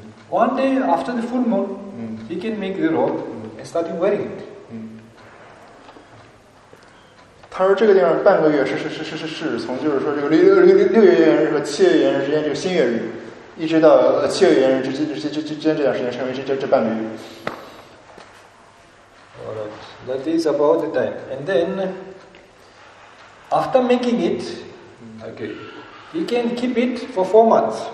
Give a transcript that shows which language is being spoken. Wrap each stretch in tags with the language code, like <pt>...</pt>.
<en>One day after the full moon, he can make the robe and start wearing it.</en> <zh>他说这个地方半个月是从就是说这个六月圆日和七月圆日之间这个新月日，一直到七月圆日之间这段时间称为这半个月。</zh> <en>Alright, that is about the time. And then after making it, okay, he can keep it for 4 months.</en>